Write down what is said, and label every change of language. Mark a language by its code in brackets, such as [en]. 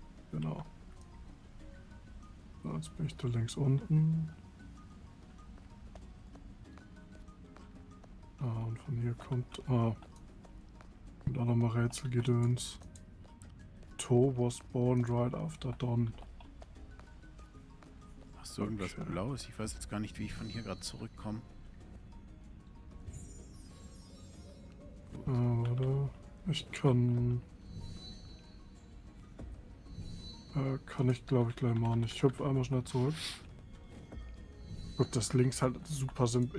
[de] Genau. So, jetzt bin ich da links unten. Und von hier kommt. Und dann nochmal Rätselgedöns. [en] Toe was born right after dawn. [de] Hast du irgendwas Blaues? Ich weiß jetzt gar nicht, wie ich von hier gerade zurückkomme. Warte. Ich kann. Kann ich glaube ich gleich machen. Ich hüpfe einmal schnell zurück. Gut, das links halt super simpel.